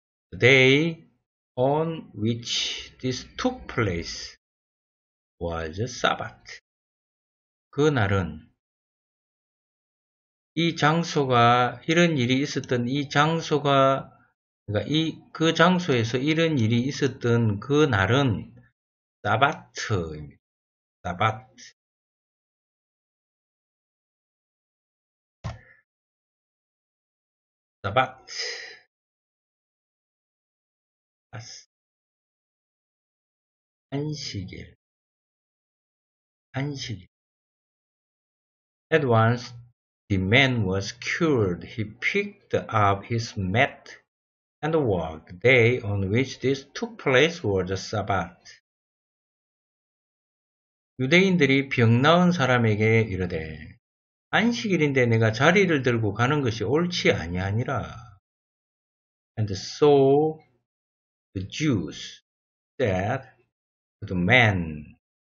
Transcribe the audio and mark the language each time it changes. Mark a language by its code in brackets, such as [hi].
[en] The day on which this took place was Sabbath. [ko] 그날은 이 장소가 이런 일이 있었던 이 장소가 그러니까 이 그 장소에서 이런 일이 있었던 그 날은 사바트입니다. 사바트. 사바트. 안식일. 안식일. [en] At once the man was cured. He picked up his mat and walked. The day on which this took place was the Sabbath. [ko] 유대인들이 병 나은 사람에게 이르되 안식일인데 내가 자리를 들고 가는 것이 옳지 아니하니라. [en] And so the Jews said to the man.